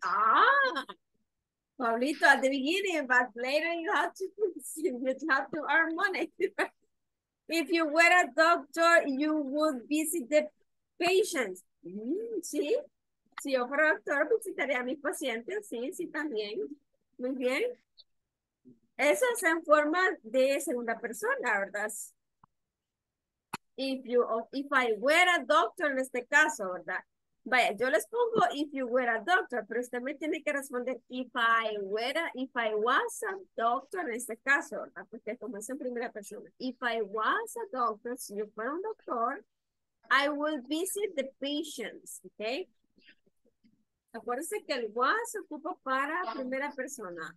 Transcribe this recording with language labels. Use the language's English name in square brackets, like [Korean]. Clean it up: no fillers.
[English] Ah, Pablito, at the beginning, but later you have to earn money. If you were a doctor, you would visit the patients. [Spanish] Sí. Si yo fuera doctor, visitaría a mis pacientes. Sí, también. Muy bien. Eso es en forma de segunda persona, ¿verdad? [English] If I were a doctor, [Spanish] en este caso, ¿verdad? Vaya, yo les pongo [English] if you were a doctor, [Spanish] pero usted me tiene que responder [English] if I was a doctor [Spanish] en este caso, ¿verdad? Porque como es en primera persona. [English] If I was a doctor, [Spanish] si yo fuera un doctor, [English] I would visit the patients, ¿ok? [Spanish] Acuérdense que el was se ocupa para primera persona.